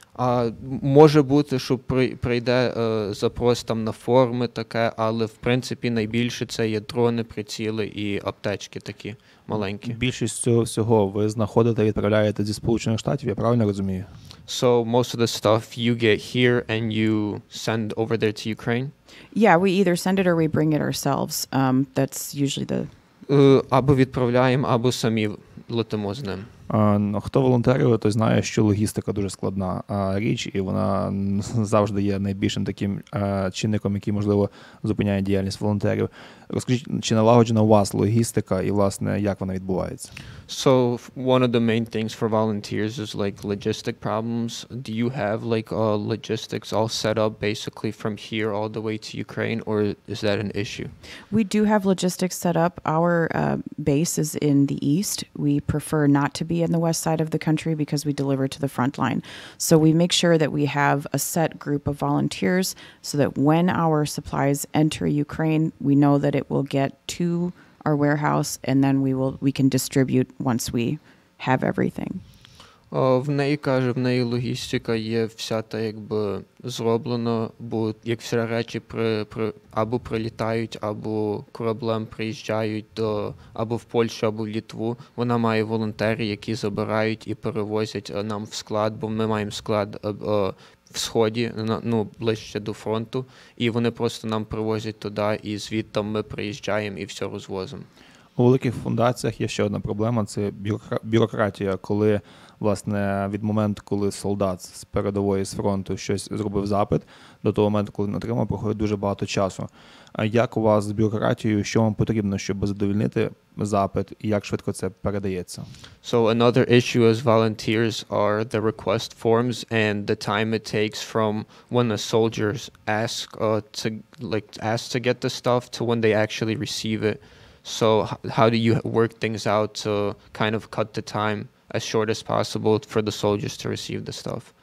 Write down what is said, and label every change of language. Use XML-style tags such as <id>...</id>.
<uk>А може бути, що прийде запрос там на форми таке, але в принципі найбільше це є дрони, приціли і аптечки такі маленькі. Більшість цього ви знаходите і відправляєте зі Сполучених Штатів, я правильно розумію?</uk> <en>So most of the stuff you get here and you send over there to Ukraine? Yeah, we either send it or we bring it ourselves. That's usually the</en> <uk>Або відправляємо, або самі летимо з ним. Хто волонтерів, той знає, що логістика дуже складна річ, і вона завжди є найбільшим таким чинником, який, можливо, зупиняє діяльність волонтерів. Розкажіть, чи налагоджена у вас логістика, і, власне, як вона відбувається?</uk> <en>So, one of the main things for volunteers is, like, logistic problems. Do you have, like, logistics all set up, basically, from here all the way to Ukraine, or is that an issue? We do have logistics set up. Our base is in the east. We prefer not to be in the west side of the country because we deliver to the front line. So we make sure that we have a set group of volunteers so that when our supplies enter Ukraine, we know that it will get to our warehouse and then we can distribute once we have everything.</en> <uk>В неї логістика є вся та якби зроблена, бо як всі речі або прилітають, або кораблем приїжджають або в Польщу, або в Літву. Вона має волонтери, які забирають і перевозять нам в склад, бо ми маємо склад в сході, ну, ближче до фронту, і вони просто нам привозять туди, і звідти ми приїжджаємо і все розвозимо. У великих фундаціях є ще одна проблема – це бюрократія, коли, власне, від моменту, коли солдат з передової, з фронту щось зробив запит, до того моменту, коли він отримав, проходить дуже багато часу. А як у вас з бюрократією, що вам потрібно, щоб задовольнити запит, і як швидко це передається?</uk> <en>So, another issue as volunteers are the request forms and the time it takes from when the soldiers ask to get the stuff to when they actually receive it. So how do you work things out to kind of cut the time as short as possible for the soldiers to receive the stuff?</en>